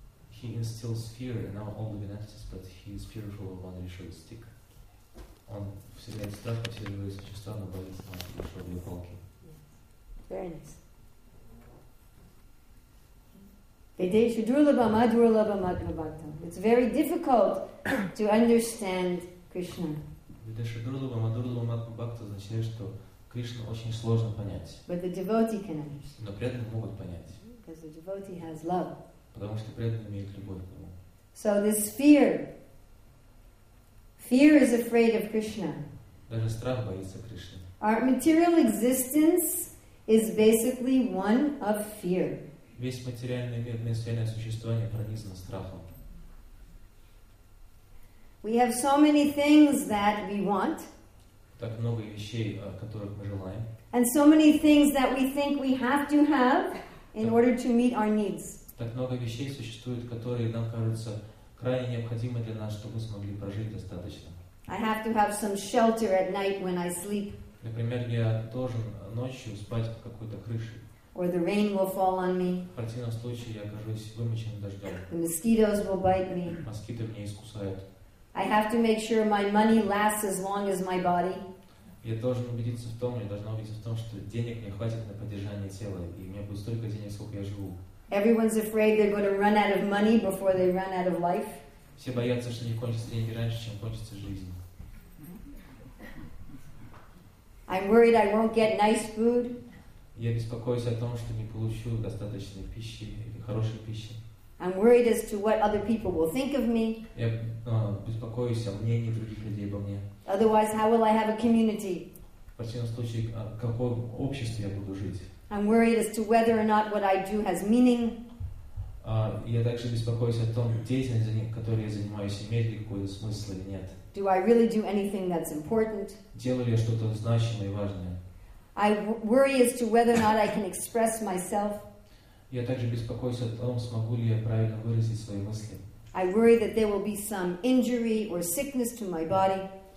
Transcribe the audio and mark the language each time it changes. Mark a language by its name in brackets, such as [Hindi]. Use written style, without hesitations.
[English] He instills fear in all the entities, but He is fearful of one Yashoda stick. [Russian] Он вселяет страх во все живые существа, но боится масла Yashoda и палки. [English] Very nice. [Sanskrit] Vedeshu Durlabha Madhurlabha Madhurbhaktam. [English] It's very difficult to understand Krishna. [Sanskrit] Vedeshu Durlabha Madhurlabha Madhurbhaktam [Russian] означает, что Krishna очень сложно понять. [English] But the devotee can understand. [Russian] Но преданные могут понять. [English] Because the devotee has love. [Russian] Потому что преданные имеют любовь к нему. [English] So this fear. Fear is afraid of Krishna. [Russian] Даже страх боится Кришны. [English] Our material existence is basically one of fear. [Russian] Весь материальный мир, материальное существование пронизано страхом. [English] We have so many things that we want. [Russian] Так много вещей, которых мы желаем. [English] And so many things that we think we have to have in order to meet our needs. [Russian] Так много вещей существует, которые нам кажутся крайне необходимы для нас, чтобы мы смогли прожить достаточно. [English] I have to have some shelter at night when I sleep. [Russian] Например, я должен ночью спать под какой-то крышей. [English] Or the rain will fall on me. [Russian] В противном случае я окажусь вымоченным дождем. [English] The mosquitoes will bite me. [Russian] Москиты меня искусают. [English] I have to make sure my money lasts as long as my body. [Russian] Я должен убедиться в том, я должна убедиться в том, что денег мне хватит на поддержание тела, и у меня будет столько денег, сколько я живу. [English] Everyone's afraid they're going to run out of money before they run out of life. [Russian] Все боятся, что не кончатся деньги раньше, чем кончится жизнь. [English] I'm worried I won't get nice food. [Russian] Я беспокоюсь о том, что не получу достаточной пищи или хорошей пищи. [English] I'm worried as to what other people will think of me. [Russian] Я беспокоюсь о мнении других людей обо мне. [English] Otherwise, how will I have a community? [Russian] В противном случае, в каком обществе я буду жить? [English] I'm worried as to whether or not what I do has meaning. [Russian] Я также беспокоюсь о том, деятельность, которой я занимаюсь, имеет ли какой-то смысл или нет. [English] Do I really do anything that's important? [Russian] Делаю ли я что-то значимое и важное? [English] I worry as to whether or not I can express myself. [Russian] Я также беспокоюсь о том, смогу ли я правильно выразить свои мысли. [English] I worry that there will be some injury or sickness to my body.